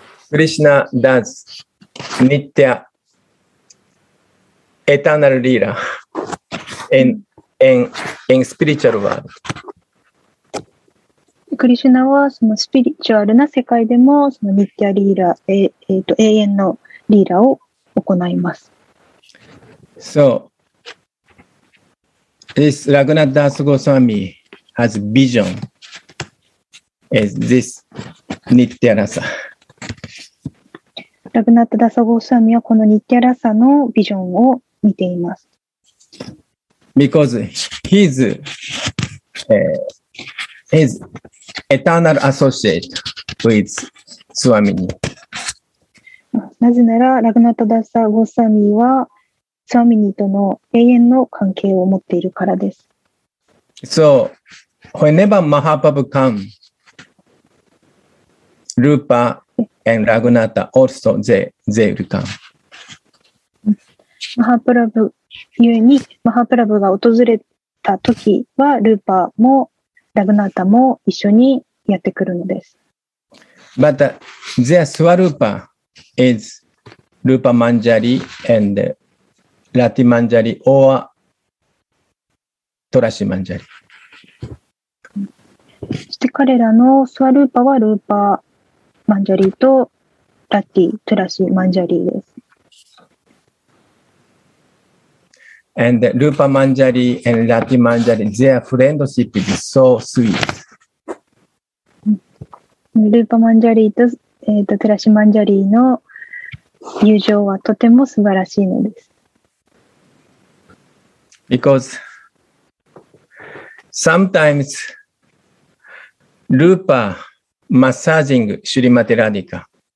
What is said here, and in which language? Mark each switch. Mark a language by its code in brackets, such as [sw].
[en] Krishna dance Nitya Eternal Lila in spiritual world. [ja] クリシュナはそのスピリチュアルな世界でもそのニッティアリーラ、永遠のリーラを行います。 [en] So, this Raghunath Das Goswami has vision as this Nitya Rasa. [ja] Raghunath Das Goswami はこのニッティアラサのビジョンを見ています。 [en] Because he's, his,Eternal associate with Swamini. [ja] なぜならラグナタダッサゴサミはスワミニとの永遠の関係を持っているからです。 [en] So, whenever Mahaprabhu comes, Rupa and Raghunatha also they will come. [ja] マハプラブゆえにマハプラブが訪れた時はルーパーもラグナタも一緒にやってくるのです。また、 [en] their Swarupa is Rupa Manjari and Rati Manjari or Trashi Manjari。 [ja] そして彼らのSwarupaはRupa ManjariとRati Trashi Manjariです。 [en] And Rupa Manjari and Rati Manjari, their friendship is so sweet. [ja] ルーパマンジャリーと、トラシマンジャリーの友情はとても素晴らしいのです。 [en] Because sometimes ルーパマッサージングシュリマテラディカ。